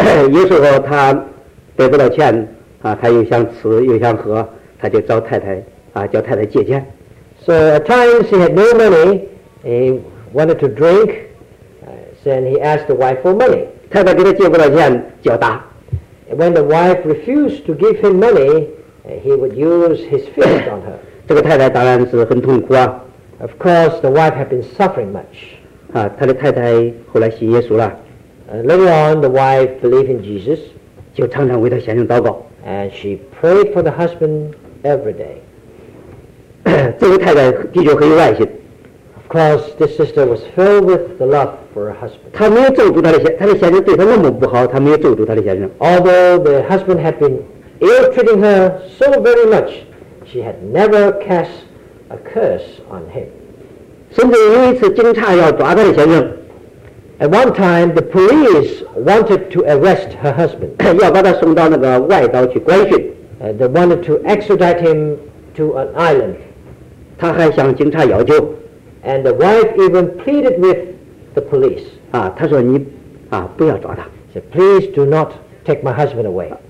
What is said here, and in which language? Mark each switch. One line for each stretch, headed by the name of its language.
Chinese: 有时候他得不到钱，他又想吃又想喝，他就找太太，叫太太借钱。
English: So at times he had no money, he wanted to drink, then he asked the wife for money.
Chinese: 太太给他借不到钱，脚打。
English: When the wife refused to give him money, he would use his fist on her.
Chinese: 这个太太当然是很痛苦啊。
English: Of course, the wife had been suffering much.
Chinese: 他的太太后来信耶稣了。
English: Later on, the wife believed in Jesus.
Chinese: 就常常为她先生祷告。
English: And she prayed for the husband every day.
Chinese: 这个太太的确很有爱心。
English: Of course, this sister was filled with the love for her husband.
Chinese: 她没有咒诅她的先生，她的先生对她那么不好，她没有咒诅她的先生。
English: Although the husband had been ill-treating her so very much, she had never cast a curse on him.
Chinese: 甚至有一次警察要抓她的先生。
English: At one time, the police wanted to arrest her husband.
Chinese: 要把她送到那个外岛去关讯。
English: They wanted to extradite him to an island.
Chinese: 她还向警察要求。
English: And the wife even pleaded with the police.
Chinese: 她说你不要抓她。
English: She said, please do not take my husband away.